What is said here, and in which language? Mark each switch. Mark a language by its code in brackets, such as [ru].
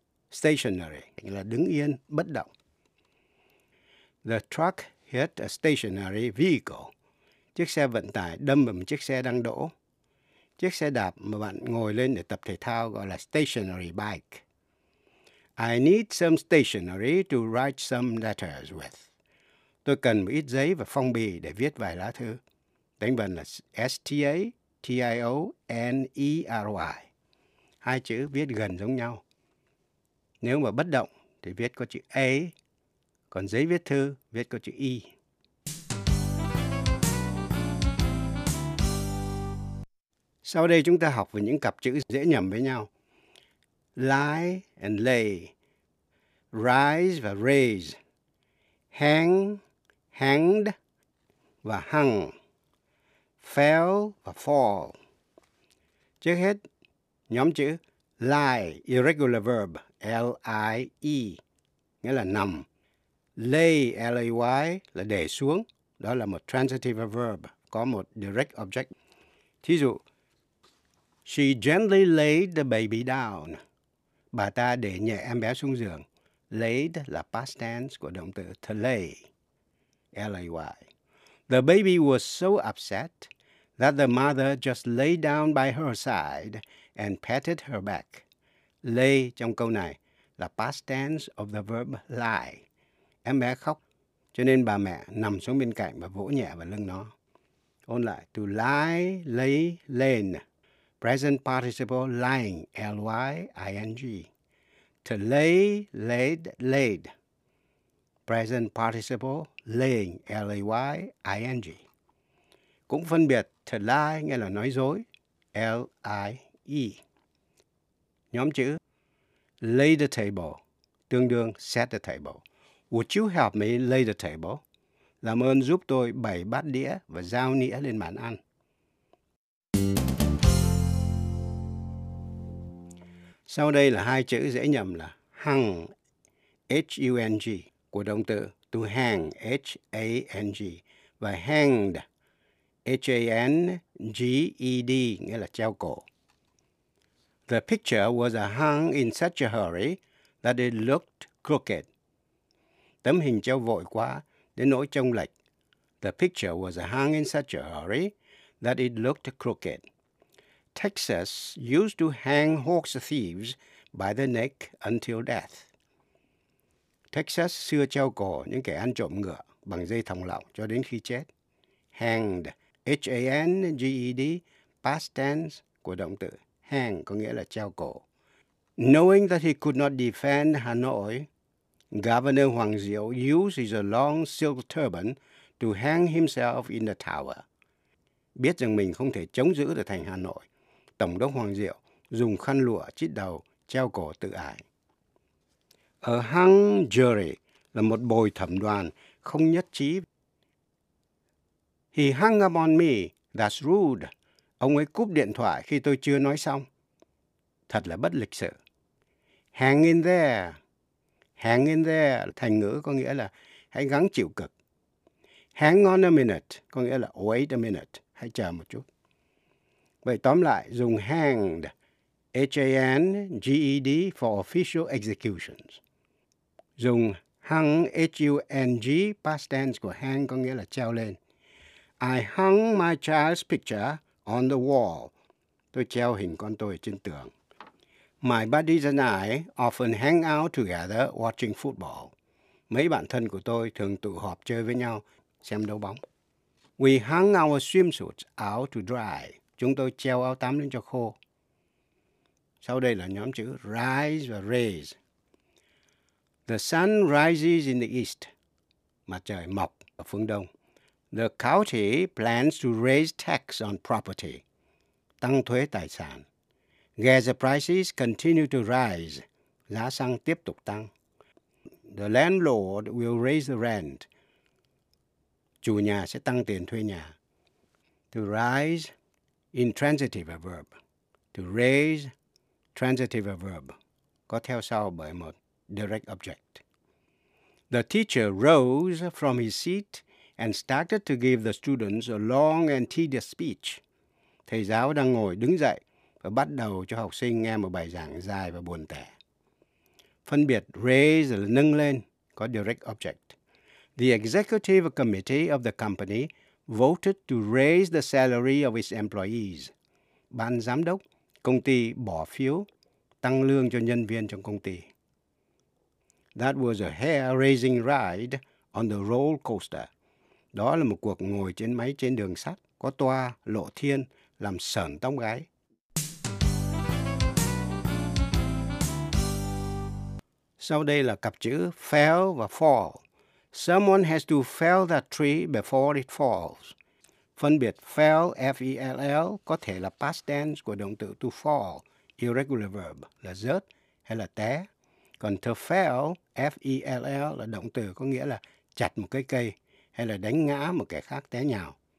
[en] Stationary, [vi] nghĩa là đứng yên, bất động. [en] The truck hit a stationary vehicle. [vi] Chiếc xe vận tải đâm vào một chiếc xe đang đỗ. Chiếc xe đạp mà bạn ngồi lên để tập thể thao gọi là stationary bike. [en] I need some stationery to write some letters with. [vi] Tôi cần một ít giấy và phong bì để viết vài lá thư. Đánh vần là S-T-A-T-I-O-N-E-R-Y. Hai chữ viết gần giống nhau. Nếu mà bất động thì viết có chữ A, còn giấy viết thư viết có chữ E. Sau đây chúng ta học về những cặp chữ dễ nhầm với nhau. [en] Lie and lay. Rise và raise. Hang, hanged và hung. Fell và fall. [vi] Trước hết, nhóm chữ lie, irregular verb, L-I-E, nghĩa là nằm. Lay, L-A-Y, là để xuống. Đó là một transitive verb, có một direct object. Thí dụ, [en] she gently laid the baby down. [vi] Bà ta để nhẹ em bé xuống giường. Laid là past tense của động từ to lay, L-A-Y. [en] The baby was so upset that the mother just lay down by her side and patted her back. Lay trong câu này là past tense of the verb lie. [vi] Em bé khóc, cho nên bà mẹ nằm xuống bên cạnh và vỗ nhẹ vào lưng nó. Ôn lại, [en] to lie, lay, lain. Present participle lying, L-Y-I-N-G. To lay, laid, laid. Present participle laying, L-A-Y-I-N-G. [vi] Cũng phân biệt to lie nghĩa là nói dối, L-I-E. Nhóm chữ [en] lay the table, [vi] tương đương [en] set the table. Would you help me lay the table? [vi] Làm ơn giúp tôi bày bát đĩa và dao nĩa lên bàn ăn. Sau đây là hai chữ dễ nhầm là hung, H-U-N-G, của động từ to hang, H-A-N-G, và hanged, H-A-N-G-E-D, nghĩa là treo cổ. [en] The picture was hung in such a hurry that it looked crooked. [vi] Tấm hình treo vội quá đến nỗi trông lệch. [en] The picture was hung in such a hurry that it looked crooked. Texas used to hang horse thieves by the neck until death. [vi] Texas xưa treo cổ những kẻ ăn trộm ngựa bằng dây thòng lọng cho đến khi chết. Hanged, H-A-N-G-E-D, past tense của động từ hang có nghĩa là treo cổ. [en] Knowing that he could not defend Hanoi, Governor Hoàng Diệu used his long silk turban to hang himself in the tower. [vi] Biết rằng mình không thể chống giữ được thành Hà Nội, Tổng đốc Hoàng Diệu dùng khăn lụa chít đầu treo cổ tự ải. A hung jury là một bồi thẩm đoàn không nhất trí. [en] He hung up on me, that's rude. [vi] Ông ấy cúp điện thoại khi tôi chưa nói xong. Thật là bất lịch sự. [en] Hang in there. Hang in there, [vi] thành ngữ có nghĩa là hãy gắng chịu cực. [en] Hang on a minute, [vi] có nghĩa là [en] wait a minute, [vi] hãy chờ một chút. Vậy tóm lại, dùng hanged, H-A-N-G-E-D [en] for official executions. [vi] Dùng hung, H-U-N-G, past tense của hang có nghĩa là treo lên. [en] I hung my child's picture on the wall. [vi] Tôi treo hình con tôi trên tường. [en] My buddies and I often hang out together watching football. [vi] Mấy bạn thân của tôi thường tụ họp chơi với nhau, xem đấu bóng. [en] We hung our swimsuits out to dry. [vi] Chúng tôi treo áo tắm lên cho khô. Sau đây là nhóm chữ [en] rise và raise. The sun rises in the east. [vi] mặt trời mọc ở phương đông. [en] The county plans to raise tax on property, [vi] tăng thuế tài sản. [en] Gas prices continue to rise, [vi] giá xăng tiếp tục tăng. [en] The landlord will raise the rent, [vi] chủ nhà sẽ tăng tiền thuê nhà. [en] To rise, intransitive verb. To raise, transitive verb, [vi] có theo sau bởi một [en] direct object. The teacher rose from his seat and started to give the students a long and tedious speech. [vi] Thầy giáo đang ngồi đứng dậy và bắt đầu cho học sinh nghe một bài giảng dài và buồn tẻ. Phân biệt raise là nâng lên, có direct object. [en] The executive committee of the company voted to raise the salary of its employees. [vi] Ban giám đốc công ty bỏ phiếu tăng lương cho nhân viên trong công ty. [en] That was a hair-raising ride on the roller coaster. [vi] Đó là một cuộc ngồi trên máy trên đường sắt có toa lộ thiên làm sờn tóc gáy. Sau đây là cặp chữ fell và fall. [en] Someone has to fell that tree before it falls. [vi] Phân biệt fell, F-E-L-L, có thể là past tense của động từ to fall, irregular verb, là rớt hay là té. Còn to fell, F-E-L-L, là động từ có nghĩa là chặt một cái cây hay là đánh ngã một kẻ khác té nhào.